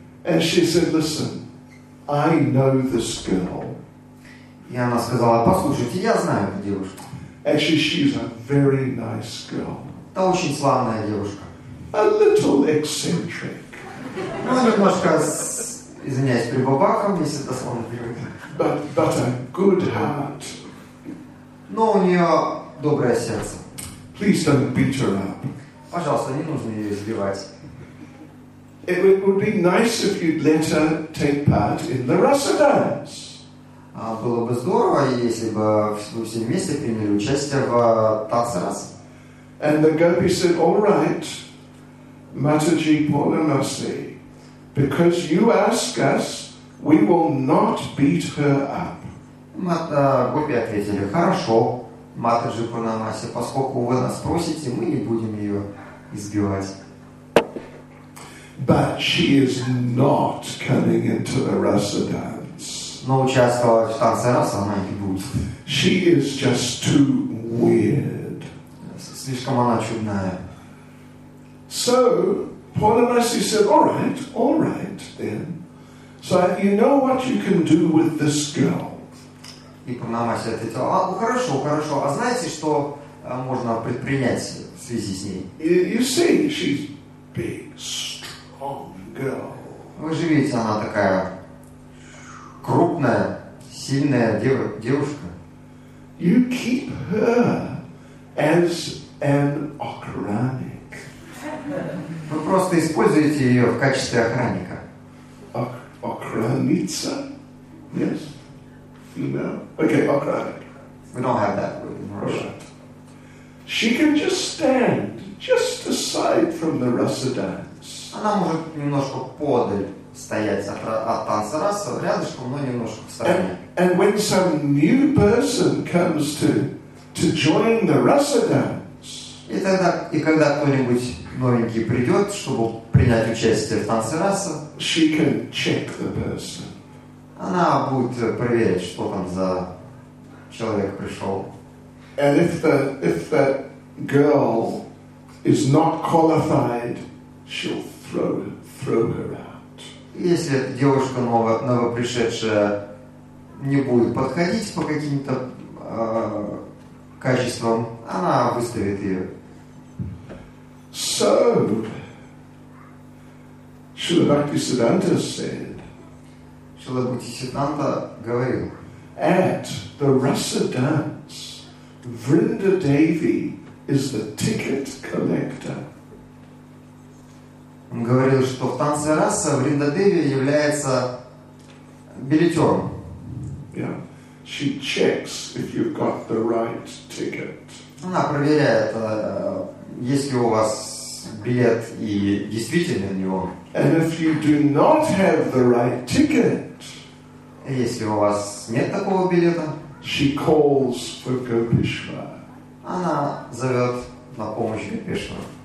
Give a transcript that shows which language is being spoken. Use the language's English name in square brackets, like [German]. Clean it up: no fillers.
[English] And she said, listen, I know this girl. [Russian] И она сказала, послушайте, я знаю эту девушку. [English] Actually, she's a very nice girl. [Russian] Та очень славная девушка. [English] A little eccentric. [Russian] Ну, немножко, извиняюсь, прибабахом, если это словно переводится. [English] But a good heart. [Russian] Но у нее доброе сердце. [English] Please don't beat her up. [Russian] Пожалуйста, не нужно ее избивать. [English] It would be nice if you'd let her take part in the Rasa dance. [Russian] А было бы здорово, если бы вы все вместе приняли участие в танце Раса. [English] And the gopi said, all right. Mataji Purnamasi, because you ask us, we will not beat her up. [Russian] Гопи ответили, хорошо, Матаджи Пурнамаси, поскольку вы нас просите, мы не будем ее избивать. Но участвовать в танце Раса она не будет. [English] She is just too weird. [Russian] Слишком она чудная. [English] So Purnamasi said, all right then. So you know what you can do with this girl. [Russian] И Пурнамаси ответил, а, хорошо, хорошо. А знаете, что можно предпринять в связи с ней? [English] You see, she's big, strong girl. [Russian] Вы же видите, она такая крупная, сильная девушка. [English] You keep her as an охранник. [Russian] Вы просто используете ее в качестве охранника. [English] Охранница? Yes? Female? Okay, охранник. We don't have that word in Russia. She can just stand just aside from the Rasa dance. [Russian] Она может немножко подаль стоять от танца Раса, рядышком, но немножко в стороне. [English] And when some new person comes to join the Rasa dance. [Russian] И тогда, и когда кто-нибудь новенький придет, чтобы принять участие в танце Раса. [English] She can check the person. [Russian] Она будет проверять, что там за человек пришел. [English] And if the girl is not qualified, she'll throw her out. [Russian] Если девушка новопришедшая не будет подходить по каким-то качествам, она выставит ее. [English] So, Śrīla Bhaktisiddhanta said, [Russian] Śrīla Bhaktisiddhanta говорил, [English] at the Rasa dance, Vrinda Devi is the ticket collector. [Russian] Он говорил, что в танце Раса Vrinda Devi является билетером. [English] Yeah, she checks if you've got the right ticket. [Russian] Она проверяет, если у вас билет и действительно у него. [English] And if you do not have the right ticket, [Russian] если у вас нет такого билета, [English] she calls for Gopeshwar. [Russian] Она зовет на помощь Гопешвара.